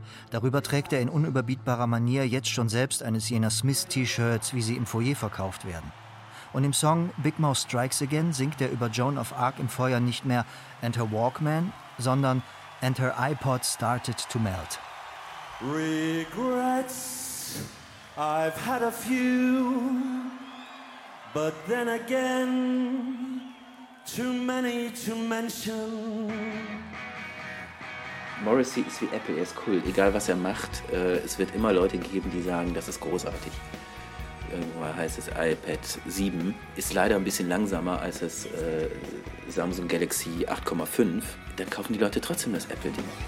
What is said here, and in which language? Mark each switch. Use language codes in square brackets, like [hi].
[de] Darüber trägt er in unüberbietbarer Manier jetzt schon selbst eines jener Smith-T-Shirts, wie sie im Foyer verkauft werden. Und im Song »Big Mouth Strikes Again« singt er über Joan of Arc im Feuer nicht mehr » [en] And her Walkman«, [de] sondern » [en] And her iPod started to melt«. Regrets, I've had a few, but then again, too many to mention. [de] Morrissey ist wie Apple, er ist cool. Egal was er macht, es wird immer Leute geben, die sagen, das ist großartig. Irgendwann heißt es iPad 7, ist leider ein bisschen langsamer als das Samsung Galaxy 8,5. Dann kaufen die Leute trotzdem das Apple-Ding.